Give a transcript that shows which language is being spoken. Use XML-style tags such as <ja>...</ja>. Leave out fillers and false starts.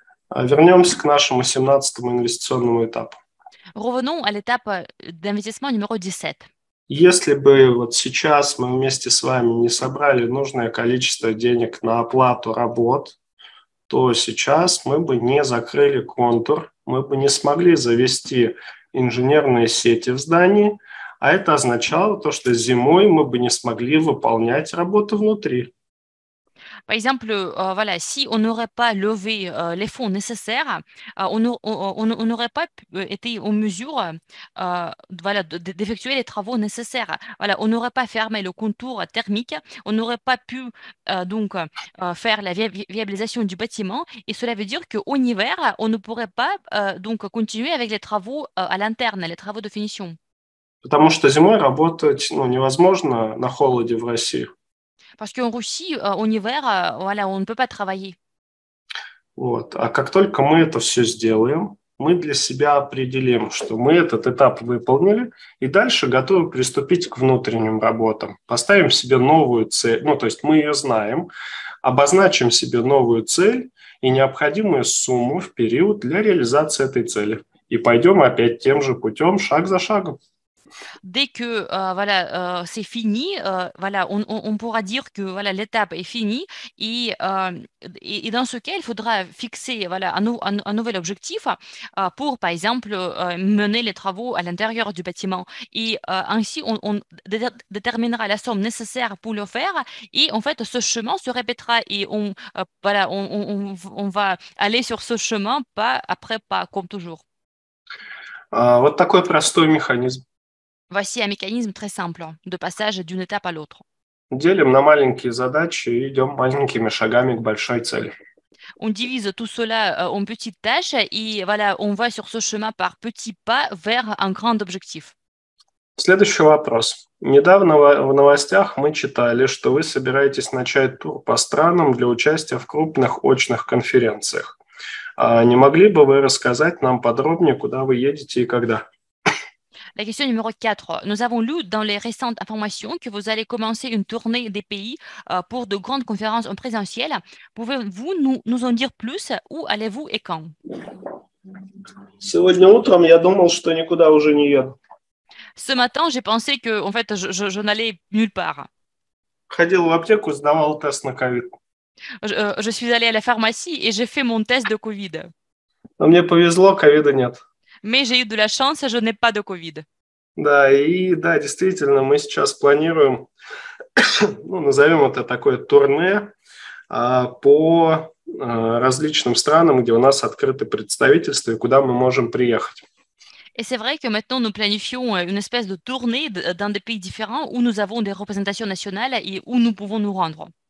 <ru>Вернемся к нашему 17-му инвестиционному этапу.</ru> <fr>Revenons à l'étape d'investissement numéro 17.</fr> <ru>Если бы вот сейчас мы вместе с вами не собрали нужное количество денег на оплату работ, то сейчас мы бы не закрыли контур, мы бы не смогли завести инженерные сети в здании, а это означало то, что зимой мы бы не смогли выполнять работу внутри.</ru> <fr>Par exemple, voilà, si on n'aurait pas levé les fonds nécessaires, on n'aurait pas été en mesure voilà, d'effectuer les travaux nécessaires. Voilà, on n'aurait pas fermé le contour thermique, on n'aurait pas pu donc faire la viabilisation du bâtiment. Et cela veut dire qu'en hiver, on ne pourrait pas donc continuer avec les travaux à l'interne, les travaux de finition.</fr> <ru>Потому что зимой работать, ну, невозможно на холоде в России.</ru> <fr>Parce qu'en Russie, en hiver, voilà, on ne peut pas travailler.</fr> <ru>Вот. А как только мы это все сделаем, мы для себя определим, что мы этот этап выполнили, и дальше готовы приступить к внутренним работам. Поставим себе новую цель, ну, то есть мы ее знаем, обозначим себе новую цель и необходимую сумму в период для реализации этой цели. И пойдем опять тем же путем, шаг за шагом.</ru> <fr>Dès que voilà, c'est fini, voilà, on pourra dire que voilà, l'étape est finie et dans ce cas, il faudra fixer voilà, un nouvel objectif pour, par exemple, mener les travaux à l'intérieur du bâtiment. Et ainsi, on déterminera la somme nécessaire pour le faire et en fait, ce chemin se répétera et voilà, on va aller sur ce chemin pas après pas, comme toujours.</fr> <ru>Вот такой простой механизм.</ru> <fr>Voici un mécanisme très simple de passage d'une étape à l'autre.</fr> <ru>Делим на маленькие задачи и идем маленькими шагами к большой цели.</ru> <fr>On divise tout cela en petites tâches et voilà, on va sur ce chemin par petits pas vers un grand objectif.</fr> <ru>Следующий вопрос. Недавно в новостях мы читали, что вы собираетесь начать тур по странам для участия в крупных очных конференциях. Не могли бы вы рассказать нам подробнее, куда вы едете и когда?</ru> <fr>La question numéro 4. Nous avons lu dans les récentes informations que vous allez commencer une tournée des pays pour de grandes conférences en présentiel. Pouvez-vous nous en dire plus? Où allez-vous et quand?</fr> <ru>Сегодня утром я думал, что никуда уже не еду.</ru> <fr>Ce matin, j'ai pensé que, en fait, je n'allais nulle part.</fr> <ru>Ходил в аптеку, сдавал тест на COVID.</ru> <fr>Je suis allé à la pharmacie et j'ai fait mon test de COVID.</fr> <ru>Но мне повезло, ковида нет.</ru> <fr>Mais j'ai eu de la chance, je n'ai pas de COVID.</fr> <ru>Да, и да, действительно, мы сейчас планируем, ну, назовем это такое турне по различным странам, где у нас открыты представительства и куда мы можем приехать.</ru> <fr>Et c'est vrai que maintenant nous planifions une espèce de tournée dans des pays différents où nous avons des représentations nationales et où nous pouvons nous rendre.</fr>